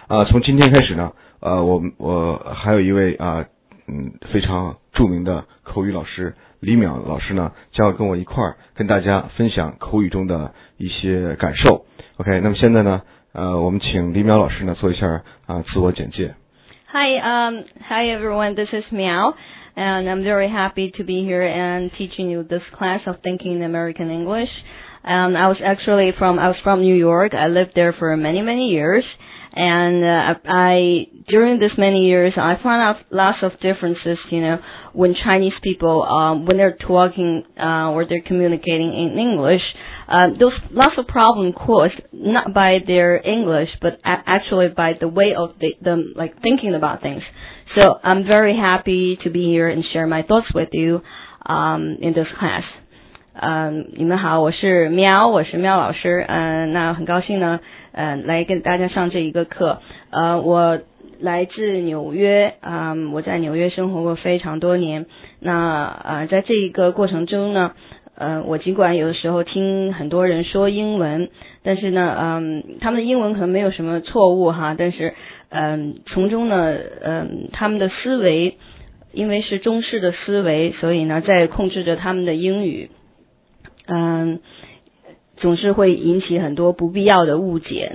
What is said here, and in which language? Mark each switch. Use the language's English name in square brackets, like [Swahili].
[Chinese] 从今天开始呢，我还有一位非常著名的口语老师李淼老师呢，将要跟我一块儿跟大家分享口语中的一些感受。OK， 那么现在呢？我们请李淼老师呢做一下自我简介。 [English] Hi everyone, this is Miao, and I'm very happy to be here and teaching you this class of Thinking in American English. I was from New York. I lived there for many years, and during these many years, I found out lots of differences. You know, when Chinese people when they're talking or they're communicating in English. Those lots of problems caused not by their English, but actually by the way of them, like, thinking about things. So I'm very happy to be here and share my thoughts with you, in this class. [Chinese] 你们好，我是喵，我是喵老师。那很高兴呢，来跟大家上这一个课。我来自纽约，我在纽约生活过非常多年。那在这一个过程中呢，我尽管有的时候听很多人说英文，但是呢，他们的英文可能没有什么错误哈，但是，从中呢，他们的思维，因为是中式的思维，所以呢，在控制着他们的英语，总是会引起很多不必要的误解。